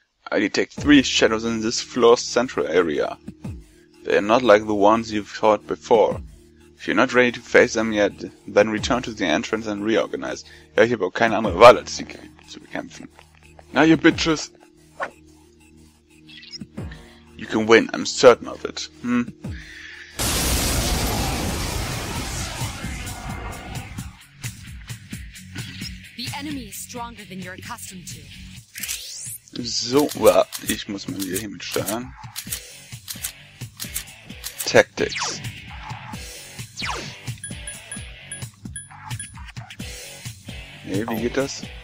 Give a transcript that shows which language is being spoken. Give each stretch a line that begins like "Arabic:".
English: I detect three shadows in this floor's central area. They are not like the ones you've caught before. If you're not ready to face them yet, then return to the entrance and reorganize.
German: Ja, ich habe auch keine andere Wahl, als sie zu bekämpfen. Na, ihr Bitches!
English: You can win, I'm certain of it. The enemy is stronger than you're accustomed to.
German: So, well, ich muss mal wieder hier mit steuern.
English: Tactics.
German: Nee, wie geht das?